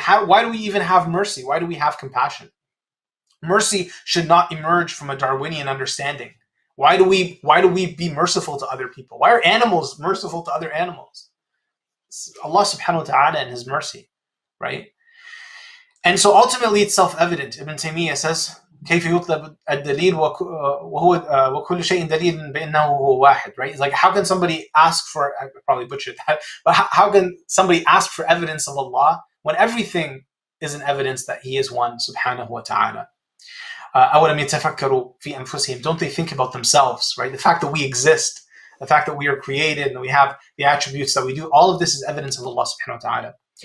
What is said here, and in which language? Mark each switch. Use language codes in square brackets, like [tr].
[en] Why do we even have mercy? Why do we have compassion? Mercy should not emerge from a Darwinian understanding. Why do we be merciful to other people? Why are animals merciful to other animals? It's Allah subhanahu wa ta'ala and His mercy, right? And so ultimately it's self-evident. Ibn Taymiyyah says, [ar] كيف يطلب الدليل وكل شيء دليل بأنه هو واحد, right? [en] It's like, how can somebody ask for, I probably butchered that, but how can somebody ask for evidence of Allah when everything is an evidence that He is one, subhanahu wa ta'ala? [ar] أولم يتفكروا في أنفسهم, [en] don't they think about themselves, right? The fact that we exist, the fact that we are created and we have the attributes that we do, all of this is evidence of Allah subhanahu wa ta'ala.